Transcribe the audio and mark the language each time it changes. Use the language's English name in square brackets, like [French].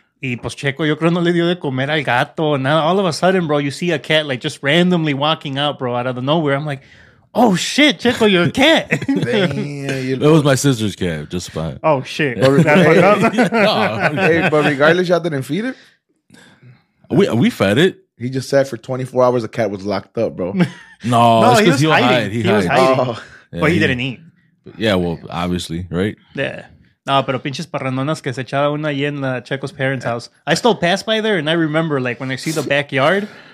[Spanish] Y pues Checo, yo creo no le dio de comer al gato. [English] Now, all of a sudden, bro, you see a cat like just randomly walking out, bro, out of the nowhere. I'm like... Oh shit, Checo, your cat. It was my sister's cat, just fine. Oh shit. But, but regardless, y'all didn't feed it? We fed it. He just sat for 24 hours, the cat was locked up, bro. No, it's because he'll hiding. He was hiding. Oh. Yeah, but he didn't eat. Yeah, well, obviously, right? Yeah. [Spanish] No, pero pinches parrandonas que se echaba una ahí en [English] Checo's parents' house. I still pass by there and I remember like when I see the backyard.